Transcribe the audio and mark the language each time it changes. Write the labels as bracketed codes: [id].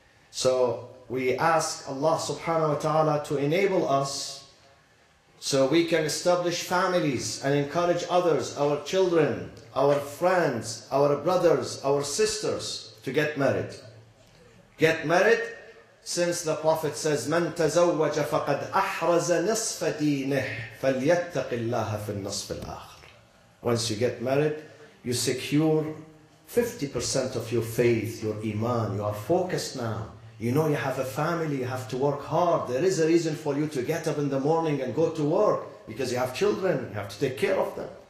[en] So we ask Allah subhanahu wa ta'ala to enable us so we can establish families and encourage others, our children, our friends, our brothers, our sisters to get married. Get married, since the Prophet says, [ar] مَنْ تَزَوَّجَ فَقَدْ أَحْرَزَ نِصْفَ دِينِهِ فَلْيَتَّقِ اللَّهَ فِي النَّصْفِ الْآخِرِ. [en] Once you get married, you secure 50% of your faith, your iman. You are focused now. You know you have a family, you have to work hard. There is a reason for you to get up in the morning and go to work, because you have children, you have to take care of them.